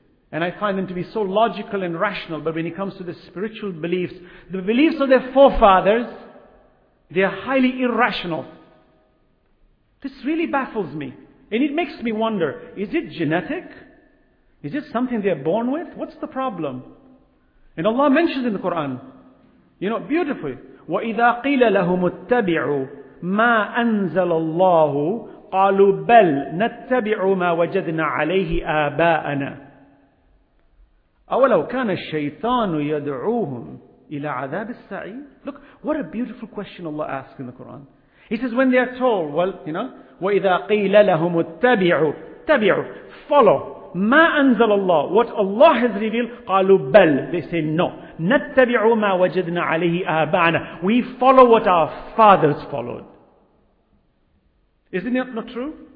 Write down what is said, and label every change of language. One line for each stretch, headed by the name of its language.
English: And I find them to be so logical and rational, but when it comes to the spiritual beliefs, the beliefs of their forefathers, they are highly irrational. This really baffles me. And it makes me wonder, is it genetic? Is it something they are born with? What's the problem? And Allah mentions in the Quran, you know, beautifully,
Arabic: وَإِذَا قِيلَ لَهُمُ اتَّبِعُوا مَا أَنزَلَ اللَّهُ قَالُوا بَلْ نَتَّبِعُوا مَا وَجَدْنَا عَلَيْهِ آبَاءَنَا أَوَلَوْ كَانَ الشَّيْطَانُ يَدْعُوهُمْ إِلَى عَذَابِ السَّعِيرِ.
English: Look, what a beautiful question Allah asks in the Quran. He says, when they are told, well, you know,
Arabic: وَإِذَا قِيلَ لَهُمُ اتَّبِعُوا,
English: follow,
Arabic: مَا أَنزَلَ اللَّهُ,
English: what Allah has revealed,
Arabic: قَالُوا بَلْ,
English: they say, no,
Arabic: نَتَّبِعُوا مَا وَجَدْنَا عَلَيْهِ آبَعَنَا,
English: we follow what our fathers followed. Isn't it not true?